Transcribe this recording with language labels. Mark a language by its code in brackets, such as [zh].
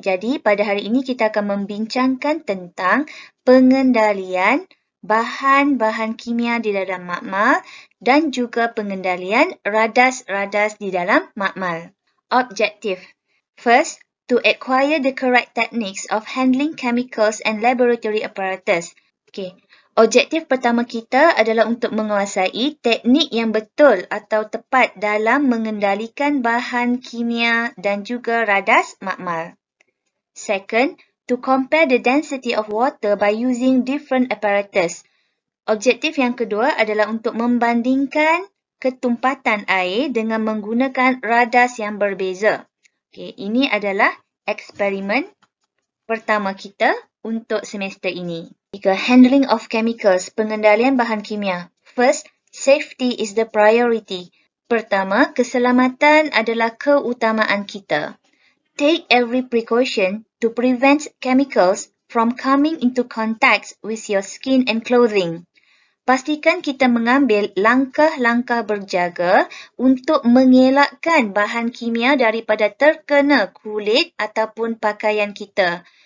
[ms] Jadi, pada hari ini kita akan membincangkan tentang pengendalian bahan-bahan kimia di dalam makmal dan juga pengendalian radas-radas di dalam makmal. Objective. [en] First, to acquire the correct techniques of handling chemicals and laboratory apparatus. Okay. [ms] Objektif pertama kita adalah untuk menguasai teknik yang betul atau tepat dalam mengendalikan bahan kimia dan juga radas makmal. [en] Second, to compare the density of water by using different apparatus. [ms] Objektif yang kedua adalah untuk membandingkan ketumpatan air dengan menggunakan radas yang berbeza. Okay, ini adalah eksperimen pertama kita untuk semester ini. Ketiga, [en] handling of chemicals, [ms] pengendalian bahan kimia. [en] First, safety is the priority. [ms] Pertama, keselamatan adalah keutamaan kita. [en] Take every precaution to prevent chemicals from coming into contact with your skin and clothing. [ms] Pastikan kita mengambil langkah-langkah berjaga untuk mengelakkan bahan kimia daripada terkena kulit ataupun pakaian kita.